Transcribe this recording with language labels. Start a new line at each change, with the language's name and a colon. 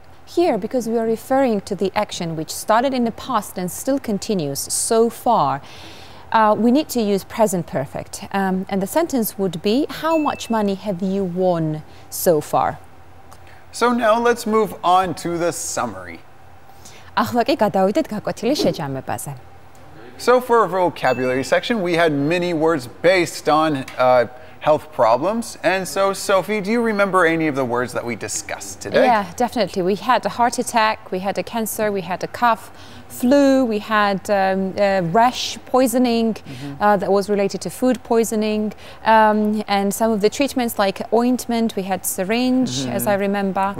English: Here, because we are referring to the action which started in the past and still continues so far, we need to use present perfect. And the sentence would be, how much money have you won so far? So now let's move on to the summary.
Georgian: ახლა კი გადავიდეთ გაკვეთილის შეჯამებაზე.
English: So for a vocabulary section, we had many words based on health problems. And so, Sophie, do you remember any of the words that we discussed today? Yeah, definitely. We had a heart attack, we had a cancer, we had a cough, flu, we had rash poisoning that was related to food poisoning, and some of the treatments like ointment, we had syringe, as I remember.